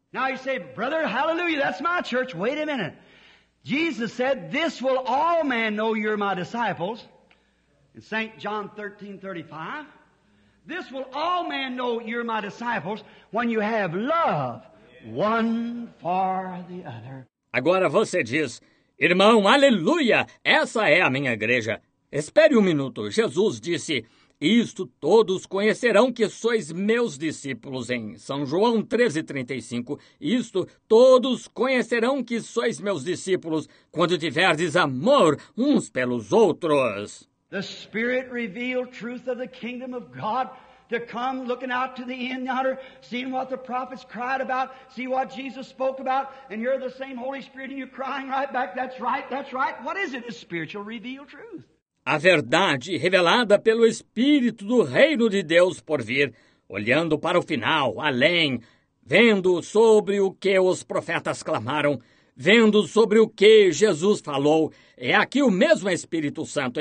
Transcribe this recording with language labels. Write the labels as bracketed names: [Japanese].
[English] Now you say, brother, hallelujah, that's my church. Wait a minute. Jesus said, this will all men know you're my disciples. In St. John 13:35, this will all men know you're my disciples when you have love one for the other. [Portuguese] Agora você diz, irmão, aleluia, essa é a minha igreja. Espere um minuto. Jesus disse, isto todos conhecerão que sois meus discípulos em São João 13:35. Isto todos conhecerão que sois meus discípulos quando tiverdes amor uns pelos outros. [English] The Spirit revealed truth of the kingdom of God to come looking out to the end yonder, seeing what the prophets cried about, see what Jesus spoke about, and you're the same Holy Spirit and you're crying right back, that's right, that's right. What is it? It's spiritual revealed truth. [Portuguese] A verdade revelada pelo Espírito do Reino de Deus por vir, olhando para o final, além, vendo sobre o que os profetas clamaram, vendo sobre o que Jesus falou, é aqui o mesmo Espírito Santo.